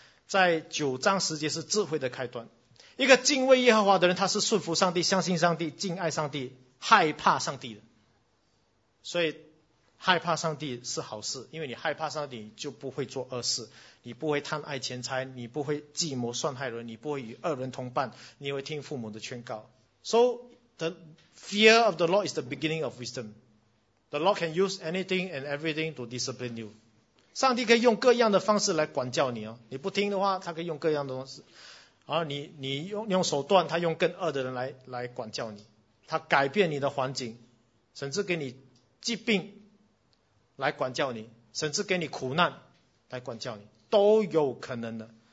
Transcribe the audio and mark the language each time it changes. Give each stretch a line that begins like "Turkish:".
Chinese: 在9:10是智慧的开端。一个敬畏耶和华的人，他是顺服上帝，相信上帝，敬爱上帝，害怕上帝的。所以害怕上帝是好事，因为你害怕上帝就不会做恶事，你不会贪爱钱财，你不会计谋算害人，你不会与恶人同伴，你会听父母的劝告。
English: So the fear of the Lord is the beginning of wisdom. The Lord can use anything and everything to discipline you.
Chinese: 上帝可以用各样的方式来管教你，你不听的话他可以用各样的方式，而你用手段，他用更恶的人 来管教你，他改变你的环境，甚至给你疾病来管教你，甚至给你苦难来管教你，都有可能的。